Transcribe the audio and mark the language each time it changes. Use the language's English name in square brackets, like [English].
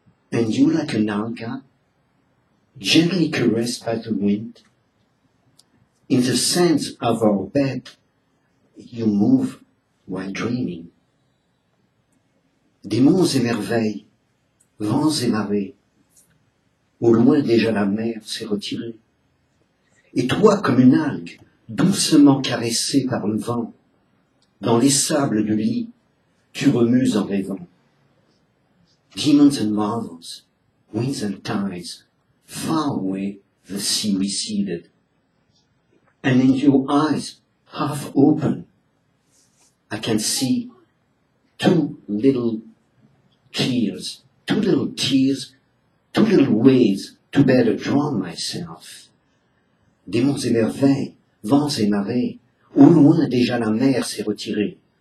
[English] And you, like an alga, gently caressed by the wind, in the sands of our bed, you move while dreaming. [French] Des monts et merveilles, vents et marées, au loin déjà la mer s'est retirée. Et toi, comme une algue, doucement caressée par le vent, dans les sables du lit, tu remues en rêvant. [English] Demons and marvels, winds and tides, far away the sea receded. And in your eyes, half open, I can see two little tears, two little ways to better drown myself. [French] Démons et merveilles, vents et marées, au loin déjà la mer s'est retirée.